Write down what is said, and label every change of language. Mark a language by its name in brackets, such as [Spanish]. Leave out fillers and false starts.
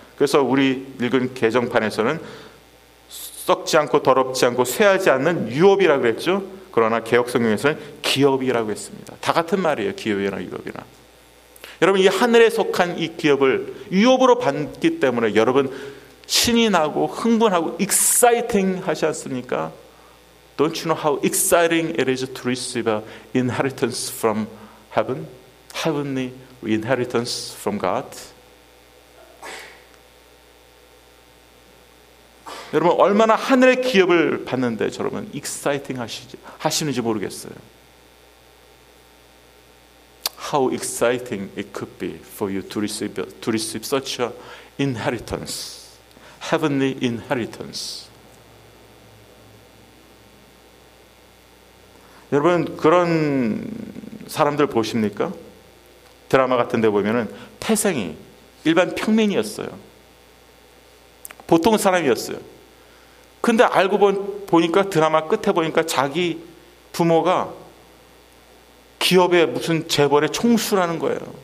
[Korean] 그래서 우리 읽은 개정판에서는 썩지 않고 더럽지 않고 쇠하지 않는 유업이라고 그랬죠. 그러나 개역성경에서는 기업이라고 했습니다. 다 같은 말이에요. 기업이나 유업이나. 여러분 이 하늘에 속한 이 기업을 유업으로 받기 때문에 여러분 신이 나고 흥분하고 exciting 하지 않습니까? [English] Don't you know how exciting it is to receive an inheritance from heaven? Heavenly inheritance from God? [Korean] 여러분 얼마나 하늘의 기업을 받는데 여러분 exciting 하시는지 모르겠어요. [English] How exciting it could be for you to receive such an inheritance, heavenly inheritance. [Korean] 여러분 그런 사람들 보십니까? 드라마 같은 데 보면은 태생이 일반 평민이었어요. 보통 사람이었어요. 근데 알고 보니까 드라마 끝에 보니까 자기 부모가 기업의 무슨 재벌의 총수라는 거예요.